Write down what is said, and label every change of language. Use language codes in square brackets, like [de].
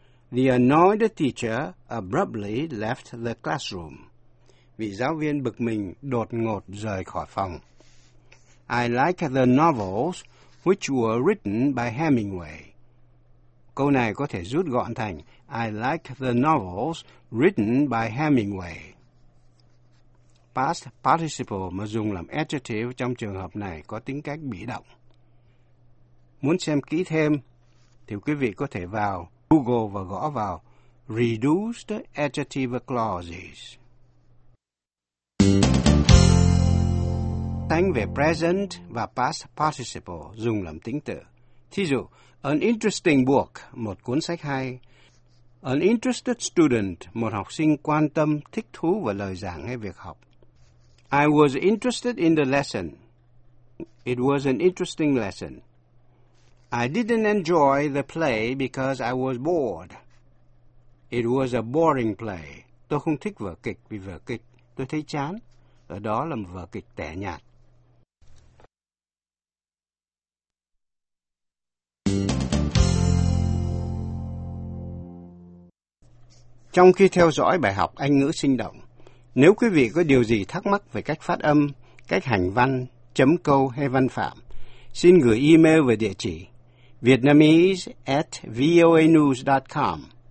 [en] The annoyed teacher abruptly left the classroom. [vi] Vị giáo viên bực mình đột ngột rời khỏi phòng. [en] I like the novels which were written by Hemingway. [vi] Câu này có thể rút gọn thành [en] I like the novels written by Hemingway. [vi] Past participle mà dùng làm adjective trong trường hợp này có tính cách bị động. Muốn xem kỹ thêm thì quý vị có thể vào Google và gõ vào Reduced Adjective Clauses. Tính về present và past participle dùng làm tính từ. Thí dụ, [en] an interesting book, [vi] một cuốn sách hay. [en] An interested student, [vi] một học sinh quan tâm, thích thú vào lời giảng hay việc học. [en] I was interested in the lesson. It was an interesting lesson. I didn't enjoy the play because I was bored. It was a boring play. [vi] Tôi không thích vở kịch vì vở kịch tôi thấy chán. Ở đó là một vở kịch tẻ nhạt. Trong khi theo dõi bài học Anh ngữ sinh động, nếu quý vị có điều gì thắc mắc về cách phát âm, cách hành văn, chấm câu hay văn phạm, xin gửi email về địa chỉ vietnamese@voanews.com.